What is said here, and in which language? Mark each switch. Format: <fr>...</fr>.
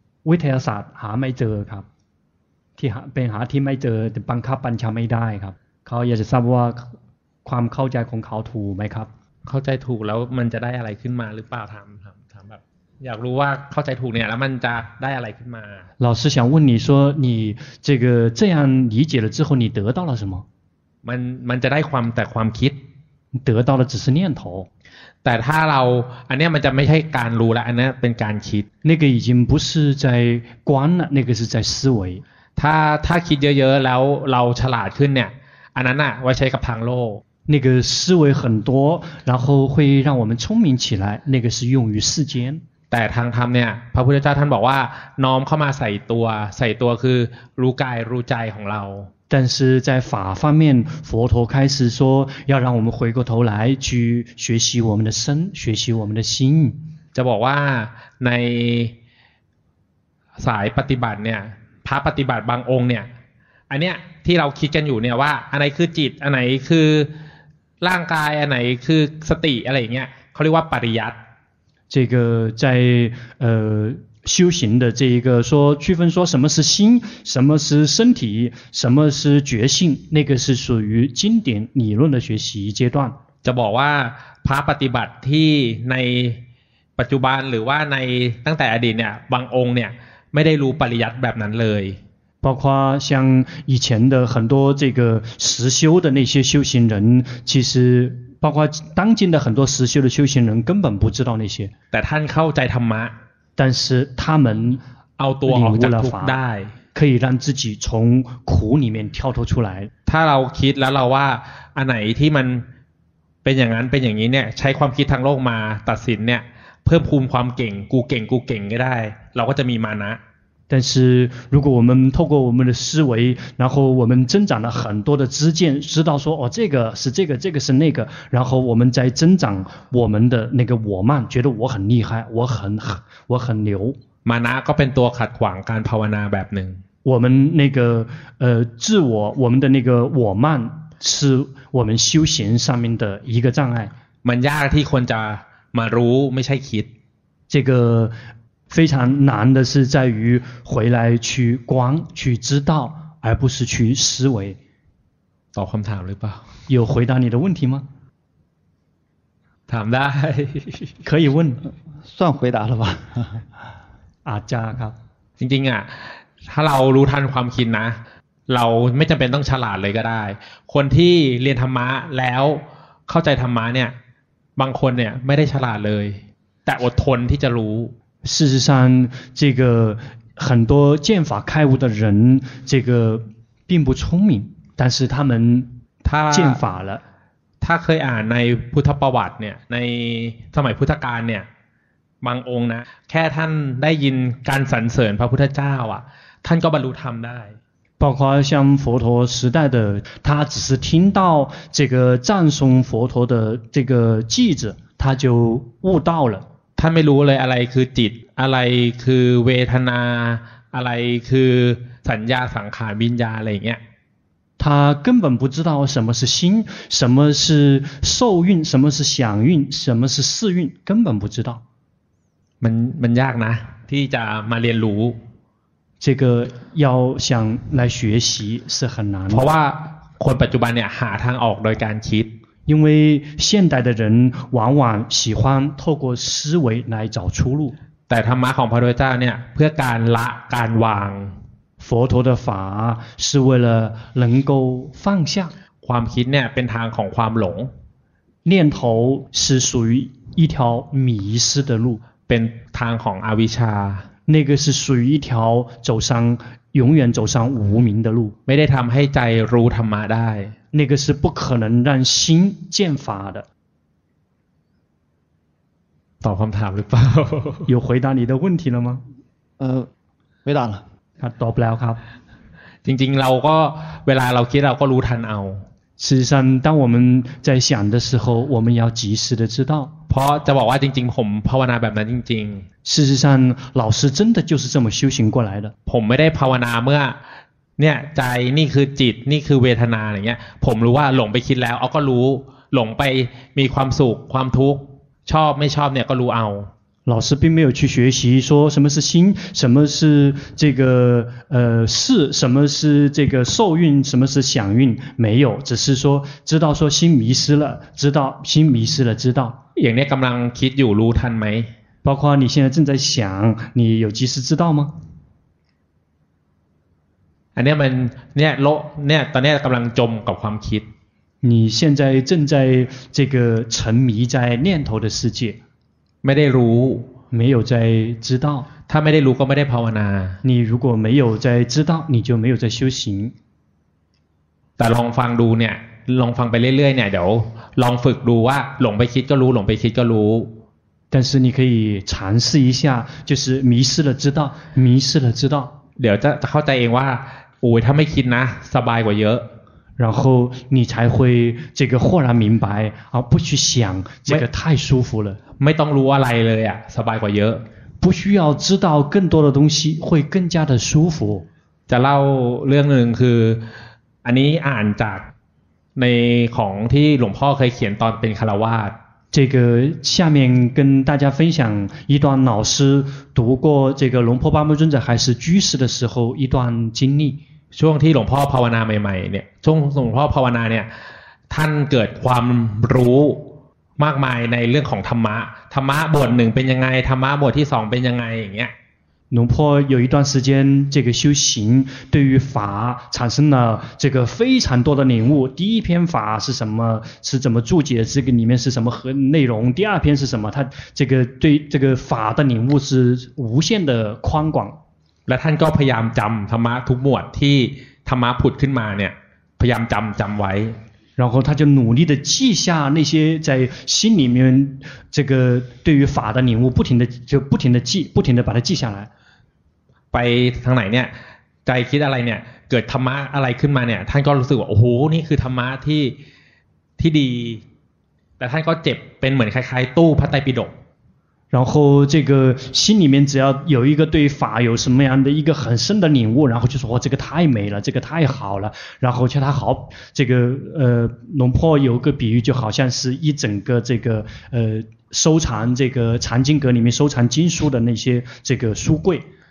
<th>วิทยาศาสตร์หาไม่เจอครับที่เป็นหาที่ไม่เจอแต่บังคับบัญชาไม่ได้ครับเขาอยากจะทราบว่าความเข้าใจของเขาถูกไหมครับ เข้าใจถูกแล้วมันจะได้อะไรขึ้นมาหรือเปล่าถามแบบอยากรู้ว่าเข้าใจถูกเนี่ยแล้วมันจะได้อะไรขึ้นมา</th> <zh>老师想问你说你这个这样理解了之后你得到了什么</zh> <th>มันจะได้ความแต่ความคิด</th> <zh>得到了只是念头</zh> <th>แต่ถ้าเราอันนี้มันจะไม่ใช่การรู้แล้วอันนี้เป็นการคิด</th> <zh>那个已经不是在观了那个是在思维</zh> <th>ถ้าคิดเยอะๆแล้วเราฉลาดขึ้นเนี่ยอันนั้นอ่ะไว้ใช้กับทางโลก</th> <zh>那个思维很多然后会让我们聪明起来那个是用于世间</zh> <th>แต่ทางธรรมเนี่ยพระพุทธเจ้าท่านบอกว่าน้อมเข้ามาใส่ตัวคือรู้กายรู้ใจของเรา</th> <zh>但是在法方面佛陀开始说要让我们回过头来去学习我们的身学习我们的心</zh> <th>จะบอกว่าในสายปฏิบัติเนี่ยพระปฏิบัติบางองค์เนี่ยอันเนี้ยที่เราคิดกันอยู่เนี่ยว่าอันไหนคือจิตอันไหนคือร่างกายอันไหนคือสติอะไรอย่างเงี้ยเขาเรียกว่าปริยัติ</th> <zh>这个在修行的这一个说区分说什么是心什么是身体什么是觉性那个是属于经典理论的学习阶段</zh> <th>จะบอกว่าพระปฏิบัติที่ในปัจจุบันหรือว่าในตั้งแต่อดีตเนี่ยบางองค์เนี่ยไม่ได้รู้ปริยัติแบบนั้นเลย</th> <zh>包括像以前的很多这个实修的那些修行人，其实包括当今的很多实修的修行人根本不知道那些。</zh> <th>แต่ท่านเข้าใจธรรมะ</th> <zh>但是他们</zh> <th>เอาตัวออกจากทุกข์ได้</th> <zh>可以让自己从苦里面跳脱出来。</zh> <th>ถ้าเราคิดแล้วเราว่าอันไหนที่มันเป็นอย่างนั้นเป็นอย่างนี้เนี่ยใช้ความคิดทางโลกมาตัดสินเนี่ยเพิ่มภูมิความเก่งกูเก่งก็ได้เราก็จะมีมานะ</th> <zh>但是如果我们透过我们的思维然后我们增长了很多的知见知道说哦，这个是这个这个是那个然后我们在增长我们的那个我慢觉得我很厉害我很牛</zh> <th>มานะก็เป็นตัวขัดขวางการภาวนาแบบหนึ่ง</th> <zh>我们那个自我我们的那个我慢是我们修行上面的一个障碍</zh> <th>มันยากที่คนจะมารู้ไม่ใช่คิด</th> <zh>这个非常难的是在于回来去观去知道而不是去思维</zh> <th>ตอบคำถามหรือเปล่า</th> <zh>有回答你的问题吗</zh> <th>ถามได้</th> <zh>可以问算回答了吧</zh> <th>อาจารย์ครับ จริงๆอ่ะถ้าเรารู้ทันความคิดนะเราไม่จำเป็นต้องฉลาดเลยก็ได้คนที่เรียนธรรมะแล้วเข้าใจธรรมะเนี่ยบางคนเนี่ยไม่ได้ฉลาดเลยแต่อดทนที่จะรู้</th> <zh>事实上这个很多剑法开悟的人这个并不聪明，但是他们剑法了他可以啊</zh> <th>ในพุทธประวัติเนี่ยในสมัยพุทธกาลเนี่ยบางองค์นะแค่ท่านได้ยินการสรรเสริญพระพุทธเจ้าอ่ะท่านก็บรรลุธรรมได้</th> <zh>包括像佛陀时代的他只是听到这个赞颂佛陀的这个句子他就悟道了他没</zh> <th>รู้เลยอะไรคือจิตอะไรคือเวทนาอะไรคือสัญญาสังขารวิญญาณอะไรอย่างเงี้ย</th> <zh>他根本不知道什么是心什么是受蕴什么是想蕴什么是识蕴根本不知道</zh> <th>มันยากนะที่จะมาเรียนรู้</th> <zh>这个要想来学习是很难的。</zh> <th>เพราะว่าคนปัจจุบันเนี่ยหาทางออกโดยการคิด</th> <zh>因为现代的人往往喜欢透过思维来找出路。</zh> <th>แต่ธรรมะของพระพุทธเจ้าเนี่ยเพื่อการละการวาง</th> <zh>佛陀的法是为了能够放下。</zh> <th>ความคิดเนี่ยเป็นทางของความหลง</th> <zh>念头是属于一条迷失的路。</zh> <th>เป็นทางของอวิชชา</th> <zh>那个是属于一条走上永远走上无明的路</zh> <th>ไม่ได้ทำให้ใจรู้ธรรมะได้</th> <zh>那个是不可能让心见法的</zh> <th>ตอบคำถามหรือเปล่า</th> <zh>有回答你的问题了吗</zh> <th>ไม่ตอบละ ตอบแล้วครับ จริงๆเราก็เวลาเราคิดเราก็รู้ทันเอา</th> <zh>事实上当我们在想的时候我们要及时的知道</zh> <th>เพราะจะบอกว่าจริงๆผมภาวนาแบบนั้นจริงๆ</th> <zh>事实上老师真的就是这么修行过来的</zh> <th>ผมไม่ได้ภาวนาเมื่อเนี่ยใจนี่คือจิตนี่คือเวทนาอย่างเงี้ยผมรู้ว่าหลงไปคิดแล้วเอาก็รู้หลงไปมีความสุขความทุกข์ชอบไม่ชอบเนี่ยก็รู้เอา</th> <zh>老师并没有去学习说什么是心什么是这个事什么是这个受蕴什么是想蕴没有只是说知道说心迷失了知道心迷失了知道</zh> <th>อย่างเนี้ยกำลังคิดอยู่รู้ทันไหม</th> <zh>包括你现在正在想你有及时知道吗</zh> <th>อันเนี้ยมันเนี่ยโลเนี่ยตอนเนี้ยกำลังจมกับความคิด</th> <zh>你现在正在这个沉迷在念头的世界</zh> <th>ไม่ได้รู้</th> <zh>没有在知道</zh> <th>ถ้าไม่ได้รู้ก็ไม่ได้ภาวนา</th> <zh>你如果没有在知道你就没有在修行</zh> <th>แต่ลองฟังดูเนี่ยลองฟังไปเรื่อยๆเนี่ยเดี๋ยวลองฝึกดูว่าหลงไปคิดก็รู้หลงไปคิดก็รู้</th> <zh>但是你可以尝试一下，就是迷失了知道，迷失了知道。</zh> <th>เดี๋ยวจะเข้าใจเองว่าโอ้ยถ้าไม่คิดนะสบายกว่าเยอะ。</th> <zh>然后你才会这个豁然明白，啊，不去想，这个太舒服了。</zh> <th>ไม่ต้องรู้อะไรเลยอ่ะสบายกว่าเยอะ。</th> <zh>不需要知道更多的东西，会更加的舒服。</zh> <th>จะเล่าเรื่องหนึ่งคืออันนี้อ่านจากในของที่หลวงพ่อเคยเขียนตอนเป็นฆราวาส。</th> <zh>这个下面跟大家分享一段老师读过这个龙婆巴木尊者还是居士的时候一段经历</zh> <th>ช่วงที่หลวงพ่อภาวนาใหม่ๆเนี่ยช่วงหลวงพ่อภาวนาเนี่ยท่านเกิดความรู้มากมายในเรื่องของธรรมะธรรมะบทหนึ่งเป็นยังไงธรรมะบทที่สองเป็นยังไงอย่างเงี้ย</th> <zh>หลวงพ่อ有一段时间这个修行对于法产生了这个非常多的领悟第一篇法是什么是怎么注解这个里面是什么和内容第二篇是什么他这个对这个法的领悟是无限的宽广</zh> <th>และท่านก็พยายามจำธรรมะทุกหมวดที่ธรรมะผุดขึ้นมาเนี่ยพยายามจำไว้</th> <zh>然后他就努力地记下那些在心里面这个对于法的领悟不停地记不停地把它记下来</zh> <th>ไปทางไหนเนี่ยใจคิดอะไรเนี่ยเกิดธรรมะอะไรขึ้นมาเนี่ยท่านก็รู้สึกว่าโอ้โหนี่คือธรรมะที่ดีแต่ท่านก็เจ็บเป็นเหมือนคล้ายๆตู้พระไตรปิฎก</th> <zh>然后这个心里面只要有一个对法有什么样的一个很深的领悟然后就说、哦、这个太美了这个太好了然后就他好这个龙婆有个比喻就好像是一整个这个收藏这个藏经阁里面收藏经书的那些这个书柜</zh>